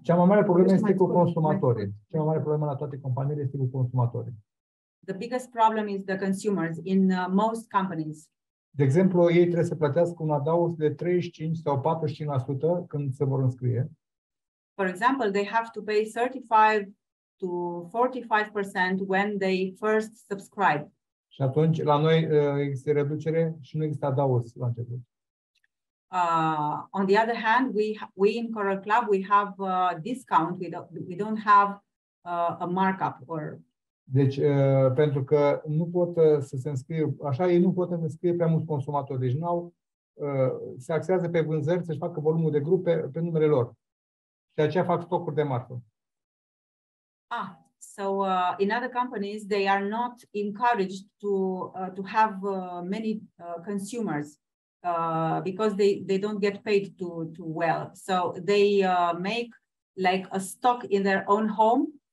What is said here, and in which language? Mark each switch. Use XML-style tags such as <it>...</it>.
<ro>Cea mai mare problemă este cu consumatorii. Cea mai mare problemă la toate companiile este cu consumatorii.</ro> <en>The biggest problem is the consumers in most companies.</en> <ro>De exemplu, ei trebuie să plătească un adaus de 35 sau 45% când se vor înscrie.</ro> <en>For example, they have to pay 35 to 45% when they first subscribe.</en> <ro>Și atunci la noi există reducere și nu există adaus la început.</ro> <en>On the other hand, we in Coral Club we have a discount. We don't have a markup or.</en> <ro>Deci, pentru că nu pot să se înscrie, așa ei nu pot să înscrie prea mulți consumatori. Deci nu au, se axează pe vânzări să-și facă volumul de grup pe numele lor. Și aceea fac stocuri de marfă.</ro> <en>Ah, so in other companies they are not encouraged to to have many consumers because they don't get paid too well. So they make like a stock in their own home.</en>